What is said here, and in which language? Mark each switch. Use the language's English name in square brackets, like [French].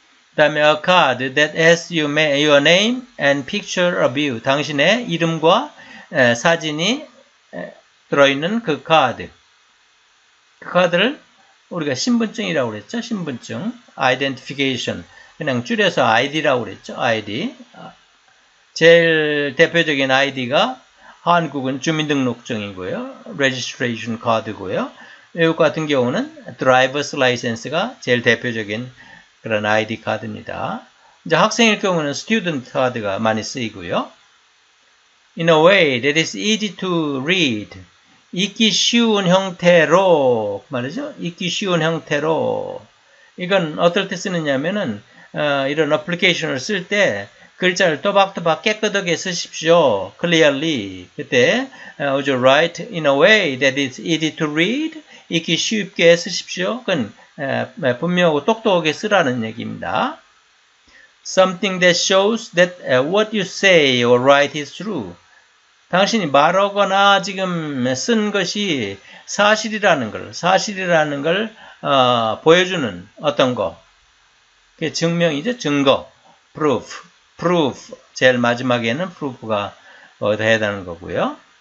[Korean] 그 다음에 [English] a card that has your name and picture of you. [Korean] 당신의 이름과 사진이 들어있는 그 카드. 그 카드를 우리가 신분증이라고 그랬죠. 신분증. identification. 그냥 줄여서 ID라고 그랬죠. ID. 제일 대표적인 ID가 한국은 주민등록증이고요. registration card고요. 외국 같은 경우는 driver's license가 제일 대표적인 그런 ID 카드입니다. 이제 학생일 경우는 student 카드가 많이 쓰이고요. [English] In a way that is easy to read. [Korean] 읽기 쉬운 형태로 말이죠. 읽기 쉬운 형태로 이건 어떨 때 쓰느냐면은 이런 어플리케이션을 쓸 때 글자를 또박또박 깨끗하게 쓰십시오. [English] clearly 그때 would you write in a way that is easy to read? [Korean] 읽기 쉽게 쓰십시오. 그건 분명하고 똑똑하게 쓰라는 얘기입니다. [English] Something that shows that what you say or write is true. [Korean] 당신이 말하거나 지금 쓴 것이 사실이라는 걸 보여주는 어떤 거. 그게 증명이죠. 증거. Proof. Proof. 제일 마지막에는 proof가 얻어야 되는 거고요.